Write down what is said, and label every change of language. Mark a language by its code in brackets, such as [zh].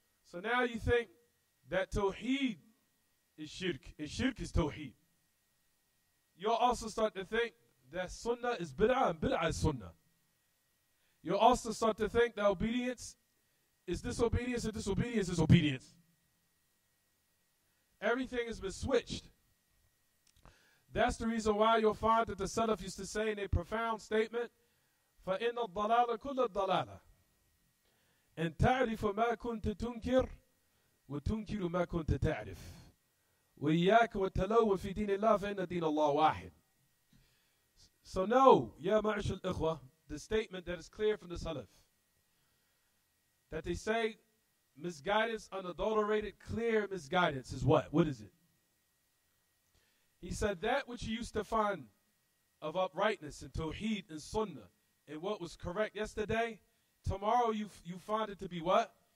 [en] So now you think that Tawheed is shirk, and shirk is Tawheed. You'll also start to think that sunnah is bid'ah, and bid'ah is sunnah. You'll also start to think that obedience is disobedience, and disobedience is obedience. Everything has been switched. That's the reason why you'll find that the Salaf used to say in a profound statement, [ar] فَإِنَّ الضَّلَالَ كُلَّ الضَّلَالَ أَنْ تَعْرِفُ مَا كُنْتَ تُنْكِرْ وَتُنْكِرُ مَا كُنْتَ تَعْرِفْ وَإِيَّاكَ وَتَلَوَّ فِي دِينِ اللَّهِ فَإِنَّ دِينَ اللَّهُ وَاحِدٌ. [en] So know, ya ma'ashul ikhwa, the statement that is clear from the Salaf, that they say misguidance, unadulterated, clear misguidance is what? What is it? He said that which you used to find of uprightness and tawheed and sunnah and what was correct yesterday, tomorrow you find it to be what?